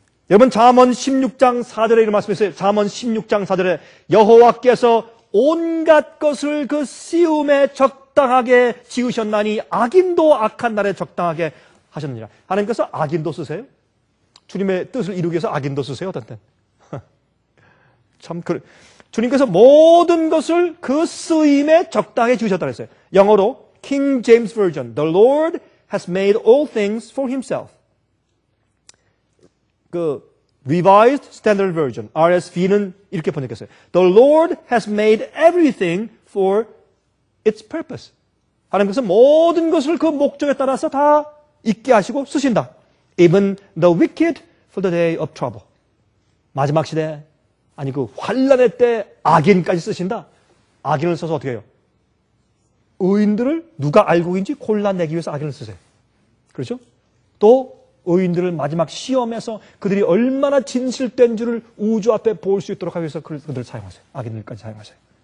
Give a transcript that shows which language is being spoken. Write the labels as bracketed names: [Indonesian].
[Korean] 여러분 잠언 16장 4절에 이런 말씀이 있어요. 잠언 16장 4절에 여호와께서 온갖 것을 그 씌움에 적당하게 지으셨나니 악인도 악한 날에 적당하게 하셨느니라. 하나님께서 악인도 쓰세요? 주님의 뜻을 이루기 위해서 악인도 쓰세요? 어떤 때는? 참 그 주님께서 모든 것을 그 쓰임에 적당히 지으셨다고 했어요. 영어로 [English] King James Version, The Lord has made all things for himself. [Korean] 그 Revised Standard Version, RSV는 이렇게 번역했어요. [English] The Lord has made everything for its purpose. [Korean] 하나님께서 모든 것을 그 목적에 따라서 다 있게 하시고 쓰신다. [English] Even the wicked for the day of trouble. [Korean] 마지막 시대에 아니 그 환란의 때 악인까지 쓰신다. 악인을 써서 어떻게 해요? 의인들을 누가 알고 있는지 골라내기 위해서 악인을 쓰세요. 그렇죠? 또 의인들을 마지막 시험에서 그들이 얼마나 진실된 줄을 우주 앞에 볼 수 있도록 하기 위해서 그들을 사용하세요. 악인들까지 사용하세요.